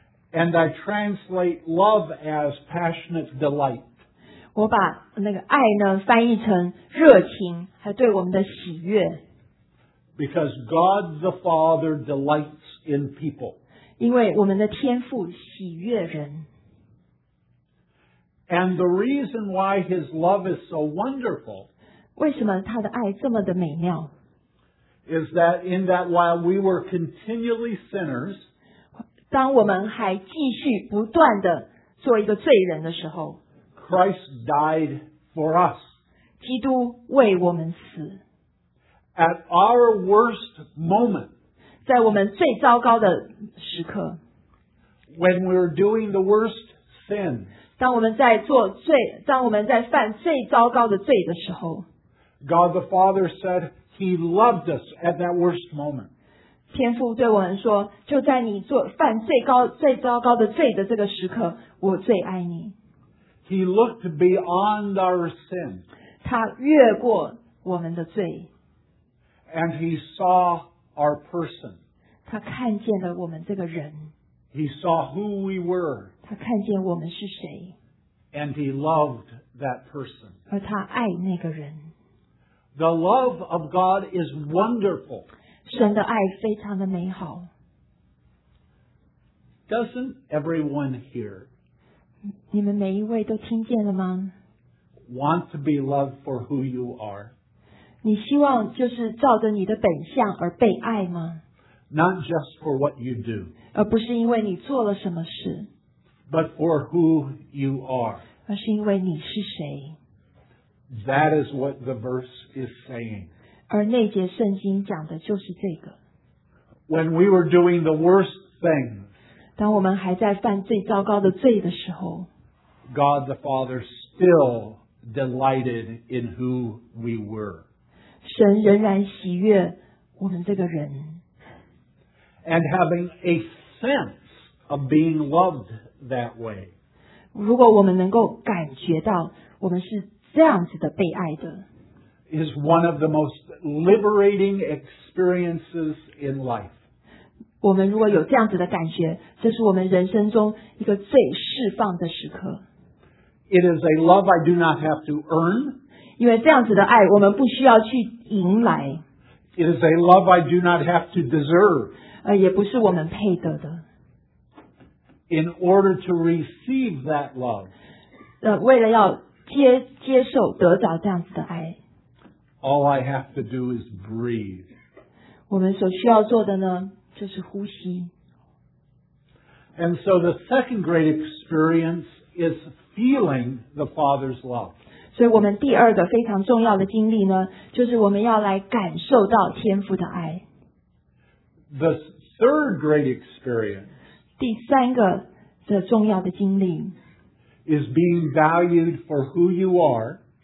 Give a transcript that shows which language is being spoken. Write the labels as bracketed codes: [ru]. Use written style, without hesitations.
[en] And I translate love as passionate delight. [zh] 我把那个爱呢翻译成热情，还对我们的喜悦。 [en] Because God the Father delights in people. [zh] 因为我们的天父喜悦人。 [en] And the reason why his love is so wonderful. [zh] 为什么他的爱这么的美妙 [en] is that in that while we were continually sinners [zh] 当我们还继续不断的做一个罪人的时候 [en] Christ died for us [zh] 基督为我们死 [en] at our worst moment [zh] 在我们最糟糕的时刻 [en] when we were doing the worst sin [zh] 当我们在做罪当我们在犯最糟糕的罪的时候 [en] God the Father said he loved us at that worst moment. [zh] 天父对我们说，就在你做犯最高最糟糕的罪的这个时刻，我最爱你。 [en] He looked beyond our sin. [zh] 他越过我们的罪。 [en] And he saw our person. [zh] 他看见了我们这个人。 [en] He saw who we were. [zh] 他看见我们是谁。 [en] And he loved that person. [zh] 而他爱那个人。 [en] The love of God is wonderful. [zh] 神的爱非常的美好。 [en] Doesn't everyone here? [zh] 你们每一位都听见了吗? [en] Want to be loved for who you are? [zh] 你希望就是照着你的本相而被爱吗? [en] Not just for what you do. [zh] 而不是因为你做了什么事。 [en] But for who you are. [zh] 而是因为你是谁。 [en] That is what the verse is saying. [zh] 而那节圣经讲的就是这个。 [en] When we were doing the worst things, [zh] 当我们还在犯最糟糕的罪的时候， [en] God the Father still delighted in who we were. [zh] 神仍然喜悦我们这个人。 [en] And having a sense of being loved that way. [zh] 如果我们能够感觉到我们是这样子的被爱的， [en] is one of the most liberating experiences in life. [zh] 我们如果有这样子的感觉，这是我们人生中一个最释放的时刻。 [en] It is a love I do not have to earn. [zh] 因为这样子的爱，我们不需要去赢来。 [en] It is a love I do not have to deserve. [zh] 也不是我们配得的。 [en] In order to receive that love. [zh] 为了要接受得着这样子的爱。 [en] All I have to do is breathe. [zh] 我们所需要做的呢，就是呼吸。 [en] And so the second great experience is feeling the Father's love. [zh] 所以我们第二个非常重要的经历呢，就是我们要来感受到天父的爱。 [en] The third great experience. [zh] 第三个的重要的经历。 [en] Is being valued for who you are.